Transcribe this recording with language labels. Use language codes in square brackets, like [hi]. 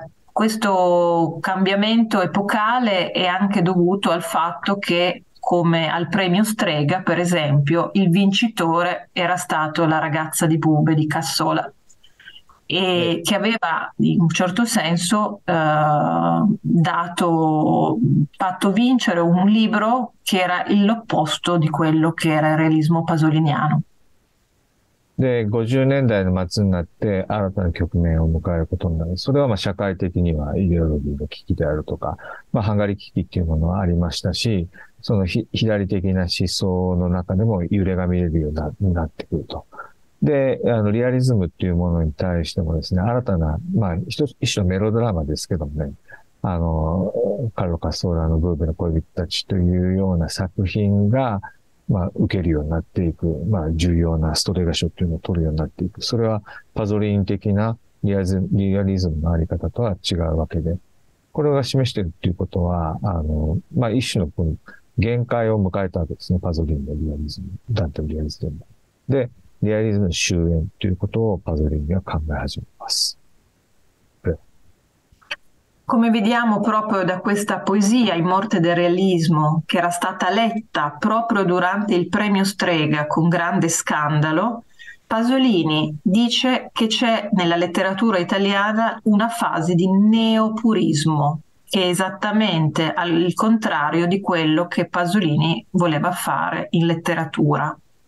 [it] Questo cambiamento epocale è anche dovuto al fatto che, come al premio Strega, per esempio, il vincitore era stato la ragazza di Bube di Cassola, e che aveva in un certo senso fatto vincere un libro che era l'opposto di quello che era il realismo pasoliniano. [ja] で、50年代の末になって新たな局面を迎えることになる。それはまあ社会的にはイデオロギーの危機であるとか、まあ、ハンガリー危機っていうものはありましたし、その左的な思想の中でも揺れが見れるようになってくると。で、リアリズムっていうものに対してもですね、新たな、まあ一種のメロドラマですけどもね、カルロ・カッソーラのブーベの恋人たちというような作品が、まあ、受けるようになっていく。まあ、重要なストレガ賞というのを取るようになっていく。それは、パゾリン的なリアリズムのあり方とは違うわけで。これが示しているということは、まあ、一種の、この限界を迎えたわけですね。パゾリンのリアリズム、ダンテのリアリズムで。で、リアリズムの終焉ということをパゾリンが考え始めます。 [it] Come vediamo proprio da questa poesia, In morte del realismo, che era stata letta proprio durante il premio Strega con grande scandalo, Pasolini Pasolini dice che c'è nella letteratura italiana una fase di neopurismo, che è esattamente al contrario di quello che Pasolini voleva fare in letteratura.